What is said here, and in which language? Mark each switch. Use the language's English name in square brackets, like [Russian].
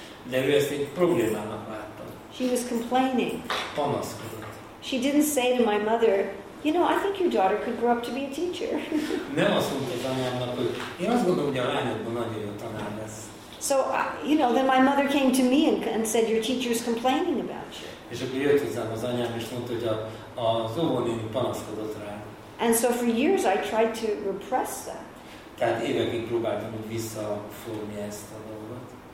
[Hungarian] De ő ezt egy problémának látta. [English] She was complaining. [Hungarian] Panaszkodott. [English] She didn't say to my mother, you know, I think your daughter could grow up to be a teacher. [Hungarian] Nem azt mondta az anyámnak, hogy én azt gondolom, hogy a lányodban nagyon jó tanár lesz. [English] So, you know, then my mother came to me and said, your teacher is complaining about you. [Hungarian] És akkor jött hozzám az anyám, és mondta, hogy az óvónéni panaszkodott rá. [English] And so for years I tried to repress that. [Hungarian] Tehát évekig próbáltam, hogy visszafogni ezt a dolgot.